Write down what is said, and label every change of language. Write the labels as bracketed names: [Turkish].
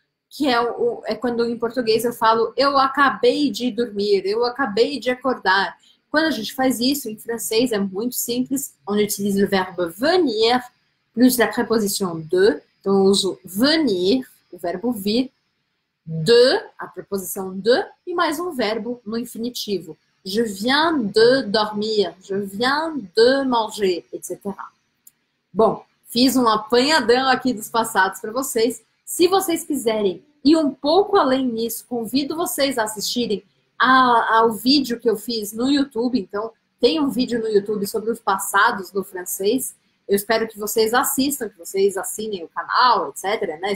[Portuguese] Que é quando em português eu falo eu acabei de dormir, eu acabei de acordar. Quando a gente faz isso em francês é muito simples, [French] on utilise [Portuguese] o verbo venir [French] plus la préposition de. [Portuguese] Então eu uso venir, o verbo vir, de, a preposição de, e mais um verbo no infinitivo. [French] Je viens de dormir, je viens de manger, etc. [Portuguese] Bom, fiz um apanhadão aqui dos passados para vocês. Se vocês quiserem. E um pouco além disso, convido vocês a assistirem ao vídeo que eu fiz no YouTube. Então, tem um vídeo no YouTube sobre os passados do francês. Eu espero que vocês assistam, que vocês assinem o canal, etc. Né?